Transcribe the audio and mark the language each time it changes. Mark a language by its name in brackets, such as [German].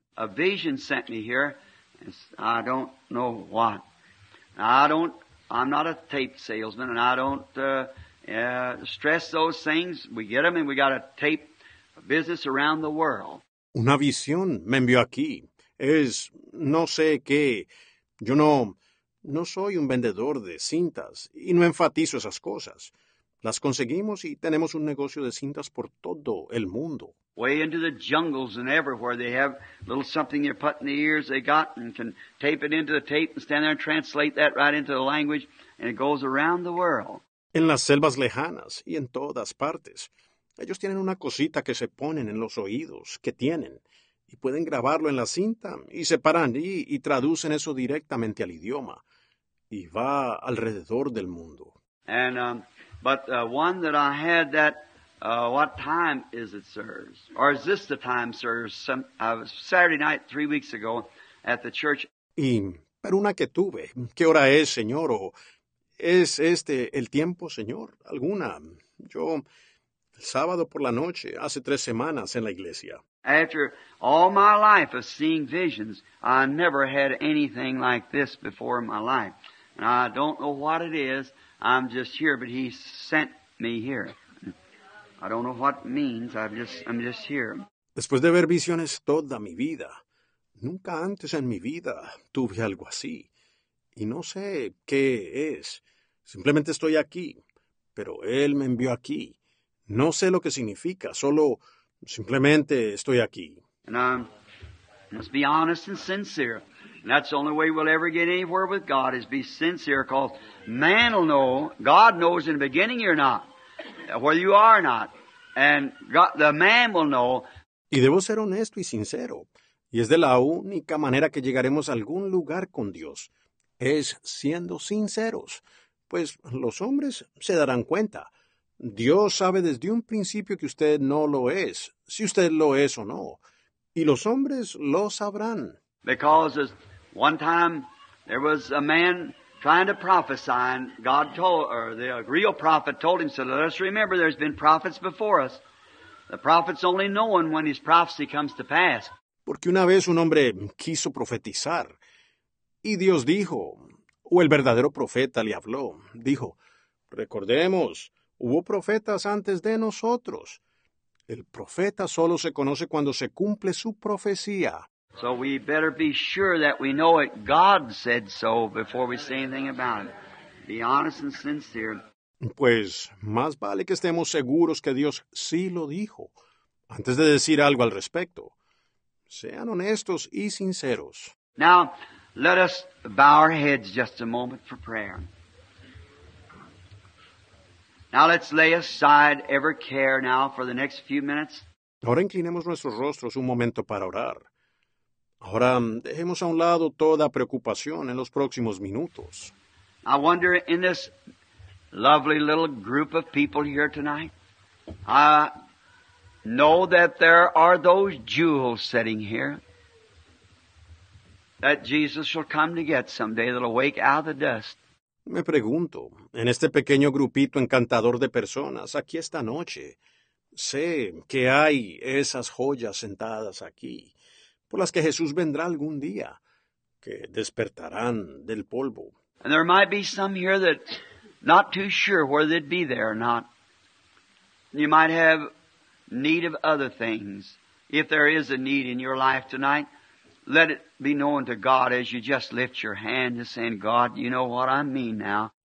[English] A vision sent me here. I don't know what. I'm not a tape salesman, and I don't... stress those things, we get them, and we got a tape business around the world. [Spanish] Una visión me envió aquí. Es, no sé qué. Yo no soy un vendedor de cintas, y no enfatizo esas cosas. Las conseguimos y tenemos un negocio de cintas por todo el mundo. [English] Way into the jungles and everywhere, they have a little something you put in the ears they got and can tape it into the tape and stand there and translate that right into the language, and it goes around the world. [Spanish] En las selvas lejanas y en todas partes. Ellos tienen una cosita que se ponen en los oídos, que tienen, y pueden grabarlo en la cinta, y se paran allí y traducen eso directamente al idioma. Y va alrededor del mundo. [English] And, but one that I had that, what time is it, sirs? Or is this the time, sirs? Saturday night, 3 weeks ago, at the church. [Spanish] Y, pero una que tuve. ¿Qué hora es, señor? O... ¿Es este el tiempo, señor? ¿Alguna? Yo, el sábado por la noche, hace 3 semanas en la iglesia. [English] After all my life of seeing visions, I never had anything like this before in my life. And I don't know what it is. I'm just here, but he sent me here. I don't know what it means. I'm just here. [Spanish] Después de ver visiones toda mi vida, nunca antes en mi vida tuve algo así. Y no sé qué es. Simplemente estoy aquí. Pero él me envió aquí. No sé lo que significa. Solo, simplemente estoy aquí. [English] And I must be honest and sincere. And that's the only way we'll ever get anywhere with God is be sincere. Because man will know, God knows in the beginning you're not. Where you are not. And God, the man will know. [Spanish] Y debo ser honesto y sincero. Y es de la única manera que llegaremos a algún lugar con Dios. Es siendo sinceros, pues los hombres se darán cuenta. Dios sabe desde un principio que usted no lo es, si usted lo es o no. Y los hombres lo sabrán. [English] Because one time there was a man trying to prophesy, and God told, or the real prophet told him, said, let us remember there's been prophets before us. The prophet's only known when his prophecy comes to pass. [Spanish] Porque una vez un hombre quiso profetizar, y Dios dijo, o el verdadero profeta le habló, dijo, recordemos, hubo profetas antes de nosotros. El profeta solo se conoce cuando se cumple su profecía. [English] So we better be sure that we know it. God said so before we say anything about it. Be honest and sincere. [Spanish] Pues, más vale que estemos seguros que Dios sí lo dijo, antes de decir algo al respecto. Sean honestos y sinceros. [English] Now, let us bow our heads just a moment for prayer. Now, let's lay aside every care now for the next few minutes. [Spanish] Ahora inclinemos nuestros rostros un momento para orar. Ahora, dejemos a un lado toda preocupación en los próximos minutos. [English] I wonder, in this lovely little group of people here tonight, I know that there are those jewels sitting here that Jesus shall come to get someday that'll wake out of the dust. [Spanish] Me pregunto, en este pequeño grupito encantador de personas, aquí esta noche, sé que hay esas joyas sentadas aquí, por las que Jesús vendrá algún día, que despertarán del polvo. [English] And there might be some here that not too sure whether they'd be there or not. You might have need of other things. If there is a need in your life tonight, let it be known to God as you just lift your hand and say, God, you know what I mean now.